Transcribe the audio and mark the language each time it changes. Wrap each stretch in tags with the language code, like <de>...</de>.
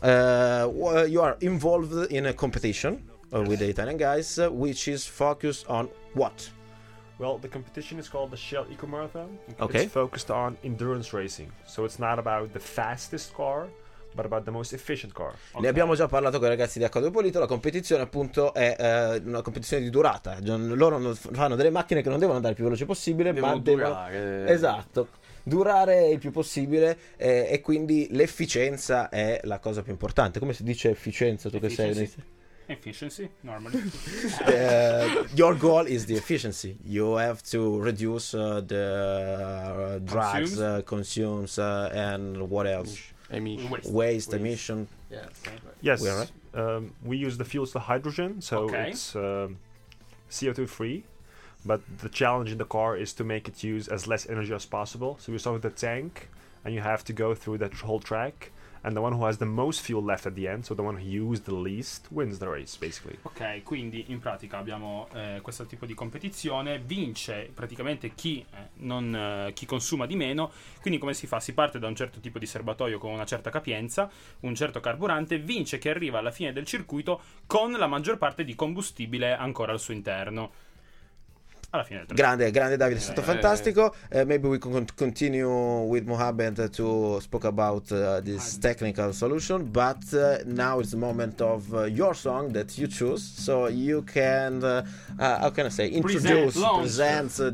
<en>You are involved in a competition with the Italian guys, which is focused on what? Well, the competition is called the Shell Eco Marathon. Okay. It's focused on endurance racing. So it's not about the fastest car, but about the most efficient car. Okay.</en> <it>Ne abbiamo già parlato con i ragazzi di H2 Polito. La competizione, appunto, è una competizione di durata. Loro fanno delle macchine che non devono andare il più veloce possibile, Devono durare il più possibile, e quindi l'efficienza è la cosa più importante. Come si dice efficienza? Tu</it> <en>efficiency.</en> <it>Che sei...</it> <en>Efficiency, normally. Your goal is the efficiency. You have to reduce the drugs, consumes, and what else? Waste emission. Yes. Yes. We use the fuels, the hydrogen, so it's CO2 free. But the challenge in the car is to make it use as less energy as possible. So you start with the tank, and you have to go through that whole track. And the one who has the most fuel left at the end, so the one who used the least, wins the race, basically.</en> <it>Ok, quindi in pratica abbiamo questo tipo di competizione, vince praticamente chi consuma di meno. Quindi come si fa? Si parte da un certo tipo di serbatoio con una certa capienza, un certo carburante, vince chi arriva alla fine del circuito con la maggior parte di combustibile ancora al suo interno. Grande Davide, è stato fantastico.</it> <en>Maybe we can continue with Mohamed to speak about this technical solution, but now is the moment of your song that you choose, so you can how can I say, present</en>